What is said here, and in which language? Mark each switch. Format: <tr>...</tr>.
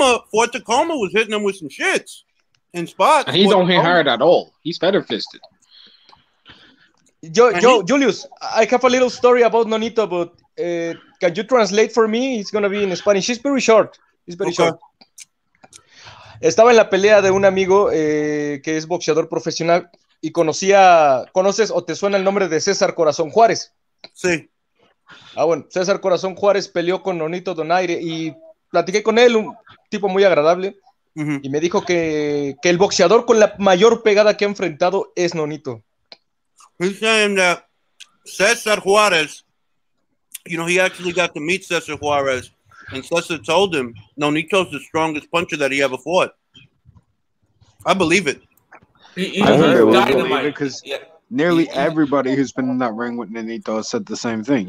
<en>Fort Tacoma was hitting him with some shits in spots. And he don't hit hard at all. He's better fisted. Julius, I have a little story about Nonito, but can you translate for me? It's going to be in Spanish. He's very short.</en> <es>Estaba en la pelea de un amigo que es boxeador profesional y ¿conoces o te suena el nombre de César Corazón Juárez? Sí. Ah, bueno, César Corazón Juárez peleó con Nonito Donaire y platiqué con él, un tipo muy agradable, uh-huh. Y me dijo que el boxeador con la mayor pegada que ha enfrentado es Nonito.</es> <en>He's saying that César Juárez, you know, he actually got to meet César Juárez. And Cesar told him, no, Nito's the strongest puncher that he ever fought. I believe it. I believe it because everybody who's been in that ring with Nonito said the same thing.</en>